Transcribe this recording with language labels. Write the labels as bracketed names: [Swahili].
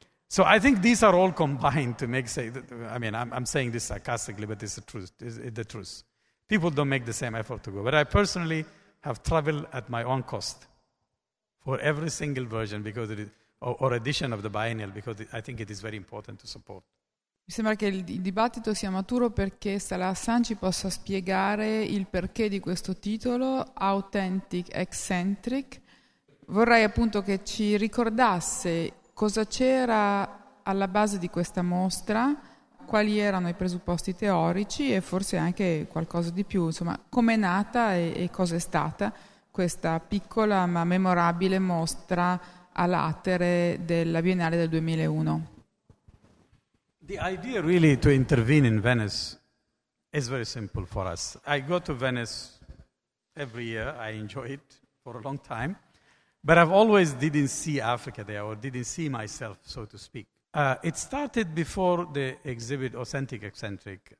[English] So I think these are all combined to make, say, I mean, I'm saying this sarcastically, but it's the truth. People don't make the same effort to go. But I personally have traveled at my own cost for every single version because it is, or edition of the biennial, because I think it is very important to support. [Italian] Mi sembra che il dibattito sia maturo perché Salah Hassan ci possa spiegare il perché di questo titolo, Authentic Eccentric. Vorrei appunto che ci ricordasse cosa c'era alla base di questa mostra, quali erano i presupposti teorici e forse anche qualcosa di più, insomma, com'è nata e cosa è stata questa piccola ma memorabile mostra a latere della Biennale del 2001. [English] The idea really to intervene in Venice is very simple for us. I go to Venice every year. I enjoy it for a long time. But I've always didn't see Africa there or didn't see myself, so to speak. It started before the exhibit Authentic Eccentric.